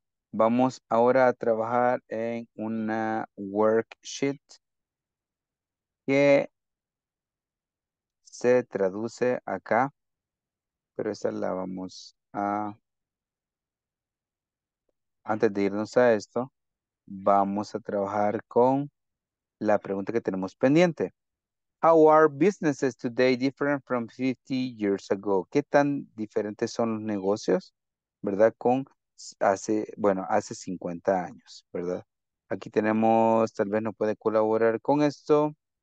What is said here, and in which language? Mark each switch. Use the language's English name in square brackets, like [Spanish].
[Spanish] Vamos ahora a trabajar en una worksheet que se traduce acá, pero esa la vamos a... Antes de irnos a esto, vamos a trabajar con la pregunta que tenemos pendiente. [English] How are businesses today different from 50 years ago? [Spanish] ¿Qué tan diferentes son los negocios, verdad, con hace, bueno, hace 50 años, verdad? Aquí tenemos, tal vez nos puede colaborar con esto.